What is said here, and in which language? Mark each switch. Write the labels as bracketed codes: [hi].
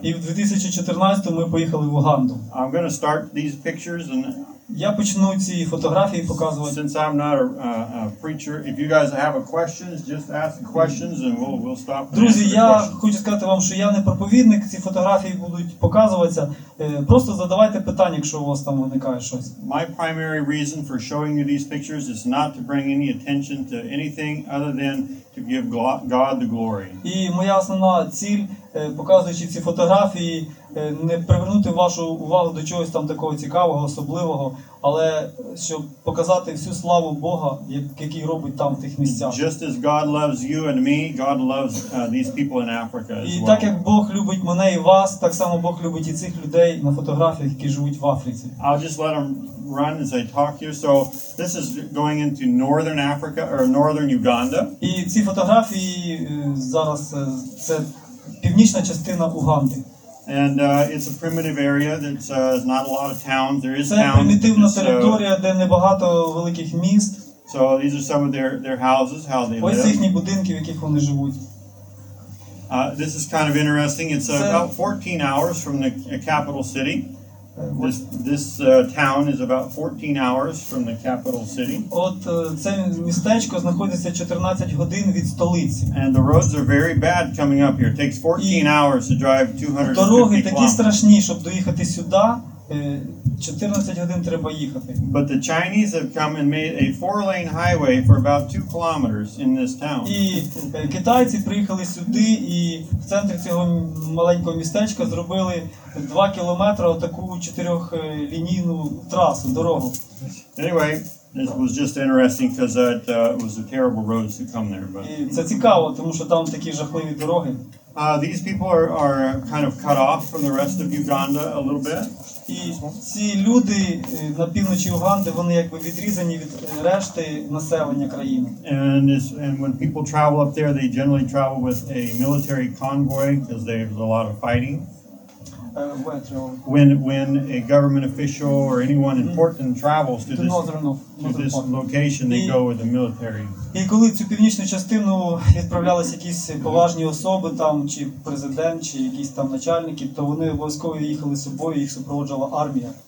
[uk] І в 2014 ми поїхали в Уганду. [en] I'm going to start these pictures and [uk] я почну ці фотографії показувати. [en] Since I'm not a preacher, if you guys have questions, just ask the questions and we'll stop. [uk] Друзі, я хочу сказати вам, що я не проповідник, ці фотографії будуть показуватися. Просто задавайте питання, якщо у вас там виникає щось. [en] My primary reason for showing you these pictures is not to bring any attention to anything other than to give God the glory. [uk] І моя основна ціль, показуючи ці фотографії, не привернути вашу увагу до чогось там такого цікавого, особливого, але щоб показати всю славу Бога, який робить там в тих місцях. [en] Just as God loves you and me, God loves these people in Africa as well. [uk] І так як Бог любить мене і вас, так само Бог любить і цих людей на фотографіях, які живуть в Африці. [en] I'll just let them run as I talk here. So this is going into northern Africa or northern Uganda. [uk] І ці фотографії зараз це північна частина Уганди. [en] And it's a primitive area that has not a lot of towns. There is town. [uk] Примітивна територія, де небагато великих міст. [en] So these are some of their houses, how they live. [uk] Ось їхні будинки, в яких вони живуть. [en] This is kind of interesting. It's about 14 hours from the capital city. This town is about 14 hours from the capital city. [uk] От це містечко знаходиться 14 годин від столиці. [en] And the roads are very bad coming up here. It takes 14 hours to drive 250 [uk] Дороги такі страшні, щоб доїхати сюди, 14 годин треба їхати. [en] But the Chinese have come and made a four-lane highway for about 2 kilometers in this town. [uk] І китайці приїхали сюди і в центрі цього маленького містечка зробили 2 кілометри таку чотирьохлінійну трасу, дорогу. [en] Anyway, this was just interesting because it was a terrible road to come there, but [uk] це цікаво, тому що там такі жахливі дороги. [en] These people are kind of cut off from the rest of Uganda a little bit. [uk] І ці люди на півночі Уганди, вони якби відрізані від решти населення країни. [en] And when people travel up there, they generally travel with a military convoy because there's a lot of fighting. When a government official or anyone important travels to this location, they go with the military. [uk] І коли цю північну частину відправлялись якісь поважні особи там, чи президент, чи якісь там начальники, то вони обов'язково їхали з собою, їх супроводжувала армія.